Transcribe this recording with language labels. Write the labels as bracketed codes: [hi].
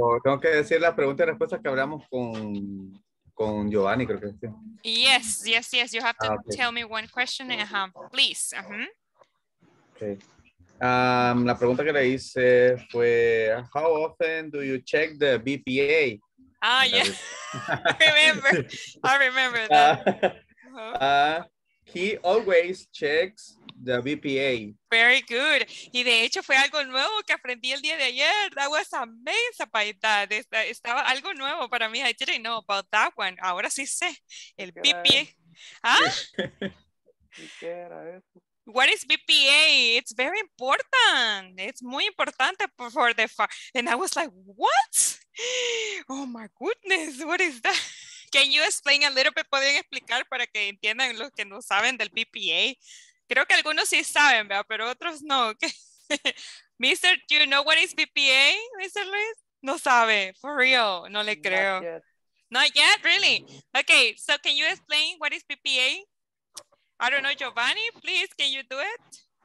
[es] Tengo que decir la pregunta y respuesta que hablamos con Giovanni, creo que sí. [en] Yes. You have to tell me one question, please. Okay. [es] La pregunta que le hice fue, [en] how often do you check the BPA? Ah, yeah. I remember that. He always checks the BPA. Very good. [es] Y de hecho fue algo nuevo que aprendí el día de ayer. [en] That was amazing by that. [es] Estaba algo nuevo para mí. [en] I didn't know about that one. [es] Ahora sí sé. [en] El BPA. ¿Ah? What is BPA? It's very important. It's muy importante for the farm. And I was like, what? Oh my goodness, what is that? Can you explain a little bit? [es] ¿Pueden explicar para que entiendan los que no saben del BPA? Creo que algunos sí saben, ¿verdad? Pero otros no. [en] Mister, do you know what is BPA, Mr. [es] Luis? No sabe, [en] for real, [es] no le creo. [en] Not yet, really? Okay, so can you explain what is BPA? I don't know, Giovanni, please, can you do it?